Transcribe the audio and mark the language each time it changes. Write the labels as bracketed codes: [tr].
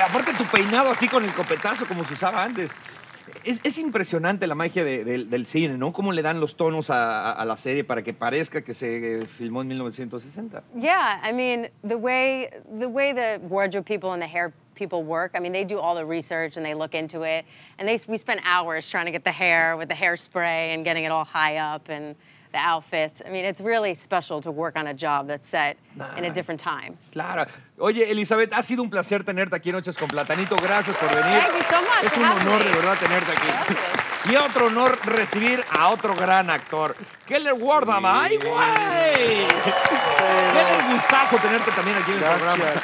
[es] Aparte tu peinado así con el copetazo como se usaba antes. Es impresionante la magia del cine, ¿no? Cómo le dan los tonos a la serie para que parezca que se filmó en 1960. [en] Yeah, I mean, the way the wardrobe people and the hair people work, I mean, they do all the research and they look into it. And we spend hours trying to get the hair with the hairspray and getting it all high up and the outfits. I mean, it's really special to work on a job that's set in a different time. [es] Claro. Oye, Elizabeth, ha sido un placer tenerte aquí en Noches con Platanito. Gracias por venir. [en] Thank you so much. [es] Es un honor, de verdad, tenerte aquí. Y otro honor recibir a otro gran actor, Keller Wardham. Sí. ¡Ay, güey! ¡Qué gustazo tenerte también aquí en el programa!